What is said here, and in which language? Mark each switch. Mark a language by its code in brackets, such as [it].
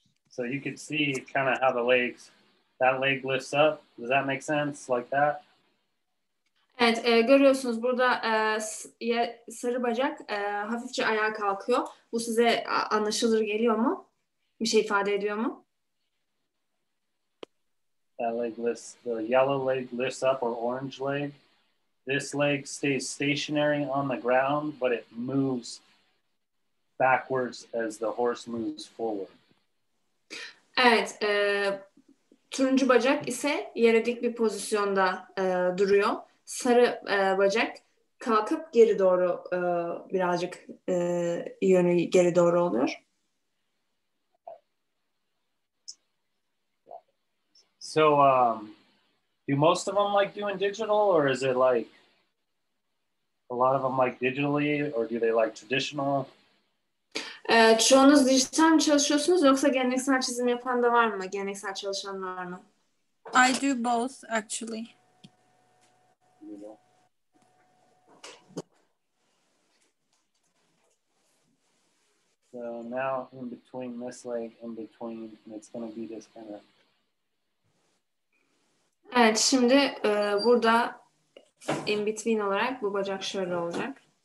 [en] So you can see kind of how the legs, that leg lifts up. Does that make sense? Like that? [tr] Evet, görüyorsunuz burada sarı bacak hafifçe ayağa kalkıyor. Bu size anlaşılır geliyor mu? Bir şey ifade ediyor mu? [en] That leg lifts, the yellow leg lifts up, or orange leg. This leg stays stationary on the ground, but it moves backwards as the horse moves forward. [tr] Evet, turuncu bacak ise yere dik bir pozisyonda duruyor. Sarı bacak kalkıp geri doğru birazcık yönü geri doğru oluyor. [en] So, do most of them like doing digital, or is it like a lot of them like digitally, or do they like traditional? [tr] Çoğunuz dijital mi çalışıyorsunuz, yoksa geleneksel çizim yapan da var mı? Geleneksel çalışan var mı? [en] I do both, actually. So now in between this leg, in between, and it's going to be this kind of. [tr] Evet, şimdi burada in between olarak bu bacak şöyle olacak.